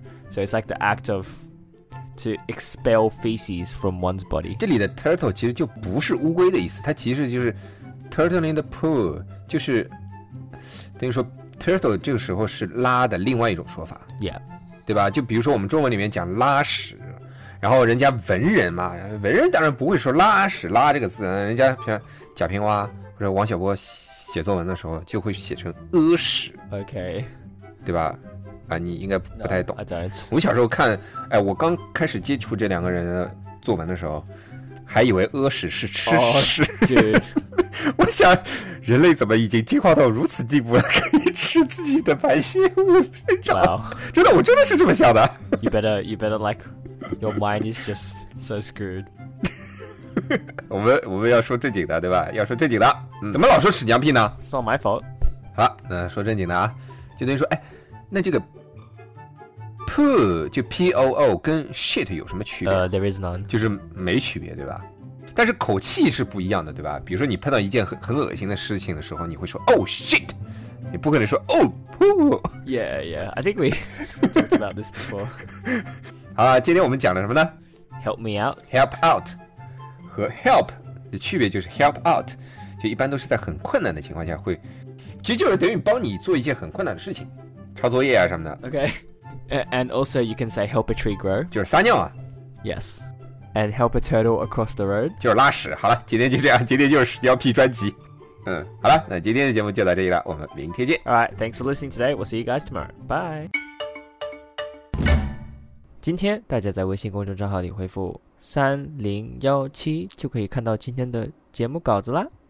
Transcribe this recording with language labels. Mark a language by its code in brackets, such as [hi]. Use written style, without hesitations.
[en] So it's like the act of to expel feces from one's body. [zh] 这里的 turtle 其实就不是乌龟的意思，它其实就是 [en] turtling the poo， [zh] 就是等于说。 Turtle 这个时候是拉的另外一种说法 [en] Yeah [zh] 对吧就比如说我们中文里面讲拉屎然后人家文人嘛文人当然不会说拉屎拉这个字人家像贾平凹或者王小波写作文的时候就会写成屙屎 [en] OK [zh] 对吧啊，你应该不太懂 [en] no, [zh] 我小时候看哎，我刚开始接触这两个人的作文的时候还以为屙屎是吃屎、 [en] oh, [zh] 我想人类怎么已经进化到如此地步了，可以吃自己的排泄物生长、 [en] wow. [zh] 真的，我真的是这么想的。 [en] you better like your mind is just so screwed。 [zh] 我们要说正经的对吧，要说正经的、嗯、怎么老说屎娘屁呢？ [en] It's not my fault。 [zh] 好了，那说正经的啊，就等于说哎，那这个 poo 就 P-O-O 跟 shit 有什么区别、 [en] there is none， [zh] 就是没区别对吧，但是口气是不一样的对吧，比如说你碰到一件 很恶心的事情的时候，你会说 [en] oh shit， [zh] 你不可能说 [en] oh poo。 Yeah yeah， I think we talked about this before。 [zh] 好，今天我们讲了什么呢？ [en] Help me out， [zh] Help out 和 help 的区别就是 [en] help out [zh] 就一般都是在很困难的情况下会，其实就是等于帮你做一件很困难的事情，抄作业啊什么的。 [en] OK And also you can say help a tree grow， [zh] 就是撒尿啊。 [en] Yes And help a turtle across the road， [zh] 就是拉屎。好了，今天就这样，今天就是屎尿屁专辑。嗯，好了，那今天的节目就到这里了，我们明天见。 [en] Alright thanks for listening today， we'll see you guys tomorrow， bye。 [zh] 今天大家在微信公众账号里回复3017就可以看到今天的节目稿子啦。